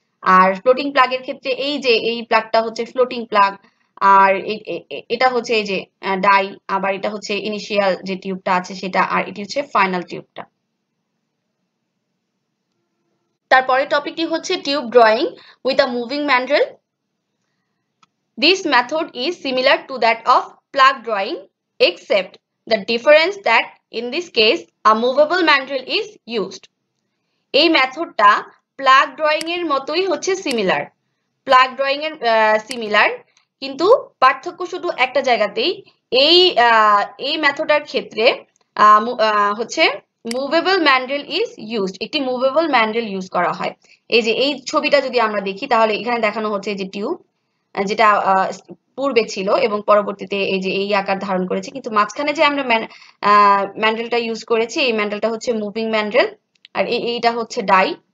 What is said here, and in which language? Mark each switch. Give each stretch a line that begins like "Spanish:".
Bangla: আর floating প্লাগের ক্ষেত্রে এই যে এই প্লাগটা হচ্ছে ফ্লোটিং প্লাগ আর এটা হচ্ছে এই যে ডাই, আবার এটা হচ্ছে ইনিশিয়াল যে টিউবটা আছে সেটা, আর এটি হচ্ছে ফাইনাল টিউবটা। তারপরে টপিকটি হচ্ছে tube drawing with a moving ম্যান্ড্রেল।
English: This method is similar to that of plug drawing, except the difference that in this case a movable mandrel is used.
Bangla: এই মেথডটা প্লাগ ড্রয়িং এর মতোই হচ্ছে সিমিলার, প্লাগ ড্রয়িং এর similar, কিন্তু পার্থক্য শুধু একটা জায়গাতেই। এই এই মেথডের ক্ষেত্রে হচ্ছে
English: movable mandrel is used,
Bangla: একটি মুভেবল ম্যান্ড্রেল ইউজ করা হয়। এই যে এই ছবিটা যদি আমরা দেখি, তাহলে এখানে দেখানো হচ্ছে যে টিউব যেটা পূর্বে ছিল এবং পরবর্তীতে এই যে এই আকার ধারণ করেছে, কিন্তু মাঝখানে যে আমরা ম্যান্ড্রেলটা ইউজ করেছি, এই ম্যান্ড্রেলটা হচ্ছে মুভিং ম্যান্ড্রেল আর এইটা হচ্ছে ডাই।